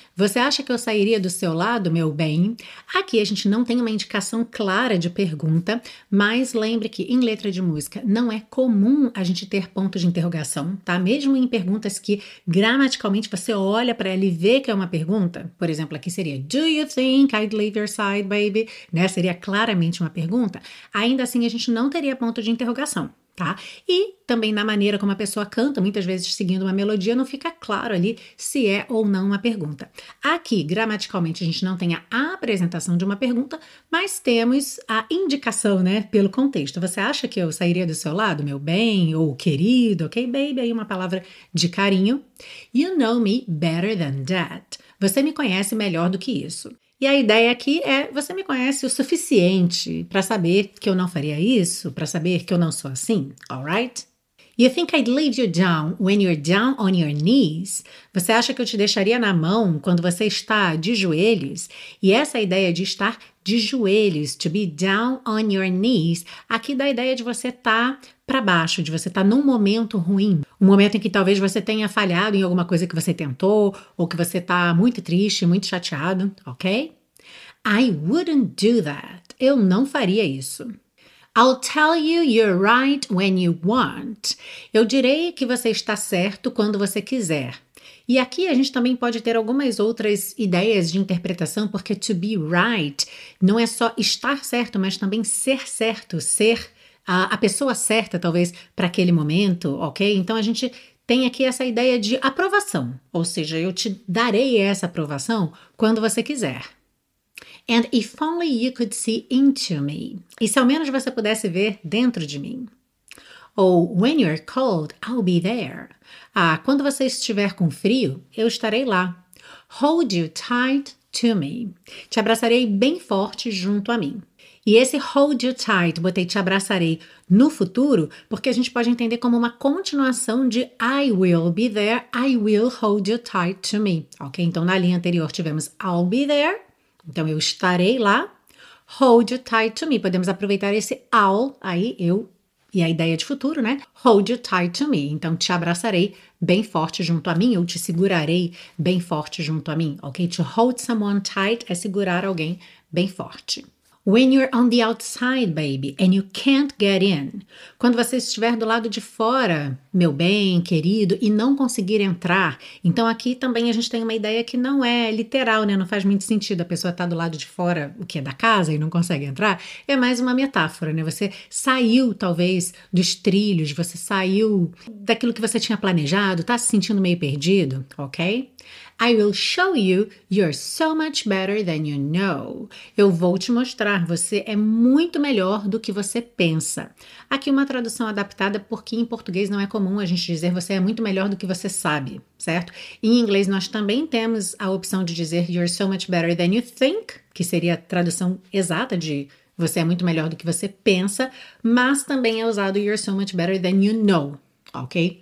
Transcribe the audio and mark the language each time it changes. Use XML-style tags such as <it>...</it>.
<pt>Você acha que eu sairia do seu lado, meu bem? Aqui a gente não tem uma indicação clara de pergunta, mas lembre que em letra de música não é comum a gente ter ponto de interrogação, tá? Mesmo em perguntas que gramaticalmente você olha para ela e vê que é uma pergunta. Por exemplo, aqui seria</pt> <en>Do you think I'd leave your side, baby?</en> <pt>Né? Seria claramente uma pergunta. Ainda assim, a gente não teria ponto de interrogação, tá? E também na maneira como a pessoa canta, muitas vezes seguindo uma melodia, não fica claro ali se é ou não uma pergunta. Aqui, gramaticalmente, a gente não tem a apresentação de uma pergunta, mas temos a indicação, né, pelo contexto. Você acha que eu sairia do seu lado, meu bem, ou querido, ok, baby? Aí uma palavra de carinho.</pt> <en>You know me better than that.</en> <pt>Você me conhece melhor do que isso. E a ideia aqui é, você me conhece o suficiente para saber que eu não faria isso, para saber que eu não sou assim, alright?</pt> <en>You think I'd leave you down when you're down on your knees?</en> <pt>Você acha que eu te deixaria na mão quando você está de joelhos? E essa ideia de estar de joelhos,</pt> <en>to be down on your knees,</en> <pt>aqui dá a ideia de você estar para baixo, de você estar num momento ruim. Um momento em que talvez você tenha falhado em alguma coisa que você tentou, ou que você está muito triste, muito chateado, ok?</pt> <en>I wouldn't do that.</en> <pt>Eu não faria isso.</pt> <en>I'll tell you you're right when you want.</en> <pt>Eu direi que você está certo quando você quiser. E aqui a gente também pode ter algumas outras ideias de interpretação, porque</pt> <en>to be right</en> <pt>não é só estar certo, mas também ser certo, ser a pessoa certa, talvez, para aquele momento, ok? Então, a gente tem aqui essa ideia de aprovação, ou seja, eu te darei essa aprovação quando você quiser.</pt> <en>And if only you could see into me.</en> <pt>E se ao menos você pudesse ver dentro de mim.</pt> <en>Ou when you're cold, I'll be there.</en> <pt>Ah, quando você estiver com frio, eu estarei lá.</pt> <en>Hold you tight to me.</en> <pt>Te abraçarei bem forte junto a mim. E esse</pt> <en>hold you tight,</en> <pt>botei te abraçarei no futuro, porque a gente pode entender como uma continuação de</pt> <en>I will be there, I will hold you tight to me.</en> <pt>Ok, então na linha anterior tivemos</pt> <en>I'll be there.</en> <pt>Então, eu estarei lá,</pt> <en>hold you tight to me.</en> <pt>Podemos aproveitar esse I'll, aí eu e a ideia de futuro, né?</pt> <en>Hold you tight to me.</en> <pt>Então, te abraçarei bem forte junto a mim, eu te segurarei bem forte junto a mim, ok?</pt> <en>To hold someone tight</en> <pt>é segurar alguém bem forte.</pt> <en>When you're on the outside, baby, and you can't get in.</en> <pt>Quando você estiver do lado de fora, meu bem, querido, e não conseguir entrar. Então, aqui também a gente tem uma ideia que não é literal, né? Não faz muito sentido a pessoa estar do lado de fora, o que é da casa, e não consegue entrar. É mais uma metáfora, né? Você saiu, talvez, dos trilhos, você saiu daquilo que você tinha planejado, tá se sentindo meio perdido, ok?</pt> <en>I will show you you're so much better than you know.</en> <pt>Eu vou te mostrar, você é muito melhor do que você pensa. Aqui uma tradução adaptada porque em português não é comum a gente dizer você é muito melhor do que você sabe, certo? Em inglês nós também temos a opção de dizer</pt> <en>you're so much better than you think,</en> <pt>que seria a tradução exata de você é muito melhor do que você pensa, mas também é usado</pt> <en>you're so much better than you know,</en> <pt>ok?</pt>